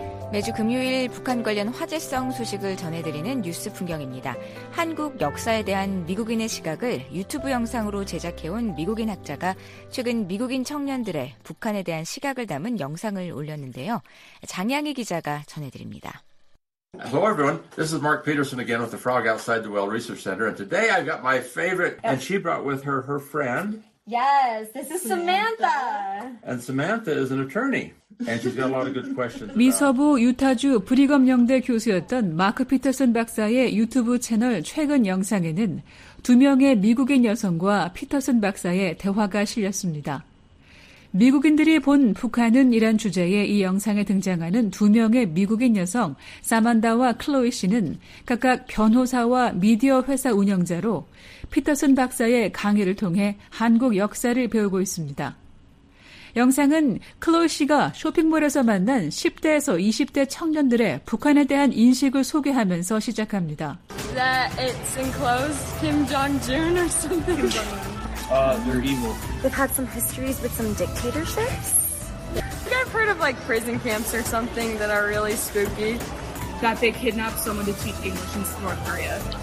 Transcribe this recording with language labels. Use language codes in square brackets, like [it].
[ko] 매주 금요일 북한 관련 화제성 소식을 전해드리는 뉴스 풍경입니다. 한국 역사에 대한 미국인의 시각을 유튜브 영상으로 제작해온 미국인 학자가 최근 미국인 청년들의 북한에 대한 시각을 담은 영상을 올렸는데요. 장양희 기자가 전해드립니다. [en] Hello everyone. This is Mark Peterson again with the Frog Outside the Well Research Center. And today I've got my favorite and she brought with her her friend. Yes, this is Samantha. And Samantha is an attorney. And she's got a lot of good questions. [ko] 미서부 유타주 브리검 영대 교수였던 마크 피터슨 박사의 유튜브 채널 최근 영상에는 두 명의 미국인 여성과 피터슨 박사의 대화가 실렸습니다. 미국인들이 본 북한은 이란 주제의 이 영상에 등장하는 두 명의 미국인 여성 사만다와 클로이 씨는 각각 변호사와 미디어 회사 운영자로 피터슨 박사의 강의를 통해 한국 역사를 배우고 있습니다. 영상은 클로이 씨가 쇼핑몰에서 만난 10대에서 20대 청년들의 북한에 대한 인식을 소개하면서 시작합니다. [en] That it's enclosed Kim Jong-un or something. They're evil. They've had some histories with some dictatorships. I've heard of like prison camps or something that are really spooky. That they kidnap someone to teach English in North Korea.